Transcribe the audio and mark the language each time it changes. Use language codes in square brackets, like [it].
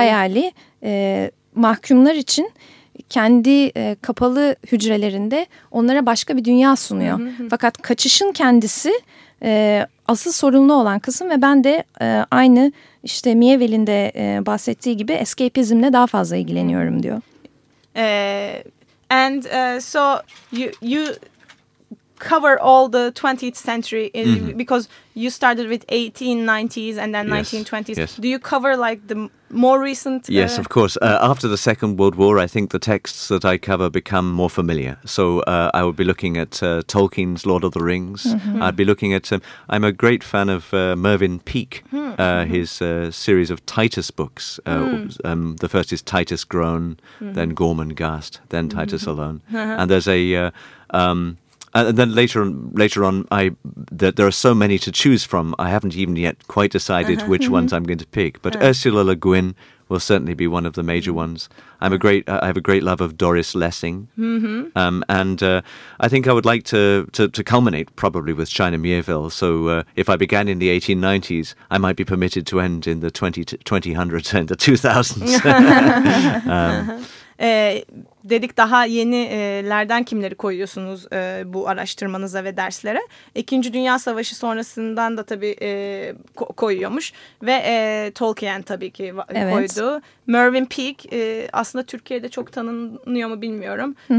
[tr] Hayali mahkumlar için kendi kapalı hücrelerinde onlara başka bir dünya sunuyor. Fakat kaçışın kendisi asıl sorunlu olan kısım ve ben de aynı işte Mieville'in de bahsettiği gibi escapism'le daha fazla ilgileniyorum diyor. [en] And so you cover all the 20th century in, because you started with 1890s and then 1920s. Yes. Do you cover like the more recent? Yes, of course. After the Second World War, I think the texts that I cover become more familiar. So I would be looking at Tolkien's Lord of the Rings. I'd be looking at, I'm a great fan of Mervyn Peake, his series of Titus books. The first is Titus Groan, then Gormenghast, then Titus Alone. And there's a... and then later on, there are so many to choose from. I haven't even yet quite decided which ones I'm going to pick. But Ursula Le Guin will certainly be one of the major ones. I'm a great, I have a great love of Doris Lessing, I think I would like to culminate probably with China Mieville. So if I began in the 1890s, I might be permitted to end in the 2000s and the 2000s. [tr] Dedik daha yenilerden kimleri koyuyorsunuz bu araştırmanıza ve derslere? İkinci Dünya Savaşı sonrasından da tabii koyuyormuş. Ve Tolkien tabii ki koydu. Evet. Mervyn Peake aslında Türkiye'de çok tanınıyor mu bilmiyorum.